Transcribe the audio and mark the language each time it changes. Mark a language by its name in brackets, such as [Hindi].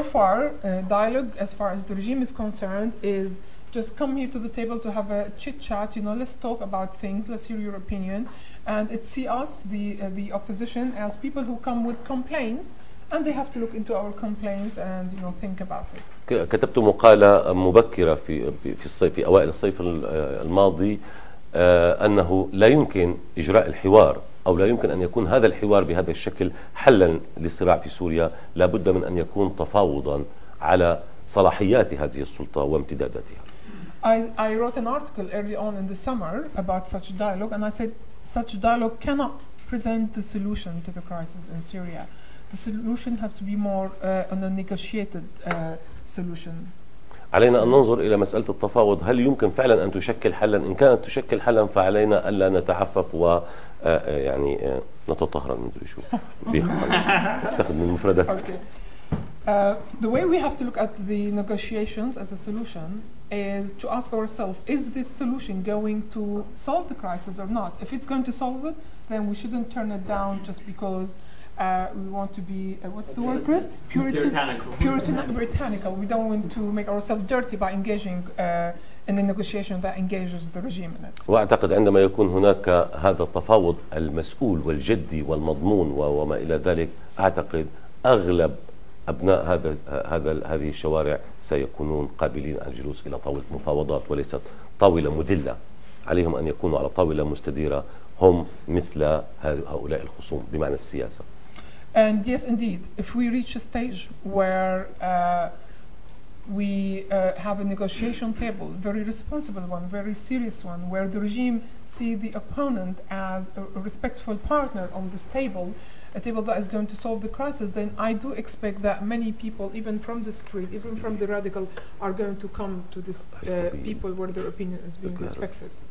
[English] Because so far dialogue as far as the regime is concerned is just come here to the table to have a chit chat, you know, let's talk about things, let's hear your opinion, and it see us the opposition as people who come with complaints and they have to look into our complaints and you know think about it. [Arabic] كتبت مقالة مبكرة في الصيف في اوائل الصيف الماضي انه لا يمكن اجراء الحوار او لا يمكن ان يكون هذا الحوار بهذا الشكل حلا للصراع في سوريا لابد من ان يكون تفاوضا على صلاحيات هذه السلطة وامتداداتها. [English] I wrote an article early on in the summer about such dialogue, and I said such dialogue cannot present the solution to the crisis in Syria. The solution has to be more on a negotiated solution. [Arabic] علينا أن ننظر إلى مسألة التفاوض. هل يمكن فعلا أن تشكل حلا؟ إن كانت تشكل حلا فعلينا ألا نتعفف و يعني نتطهر من دري شو استخدم المفردات. [English] The way we have to look at the negotiations as a solution is to ask ourselves, is this solution going to solve the crisis or not? If it's going to solve it, then we shouldn't turn it down just because we want to be, what's the word, Chris? Puritanical. We don't want to make ourselves dirty by engaging in a negotiation that engages the regime in it. [Arabic] وأعتقد عندما يكون هناك هذا التفاوض المسؤول والجدي والمضمون وما إلى ذلك أعتقد أغلب أبناء هذه الشوارع سيكونون قابلين الجلوس إلى طاولة مفاوضات وليست طاولة مذلة عليهم أن يكونوا على طاولة مستديرة هم مثل هؤلاء الخصوم بمعنى السياسة. [English] And yes, indeed, if we reach a stage where we have a negotiation table, very responsible one, very serious one, where the regime see the opponent as a respectful partner on this table, a table that is going to solve the crisis, then I do expect that many people, even from the street, even from the radical, are going to come to this people where their opinion is being respected.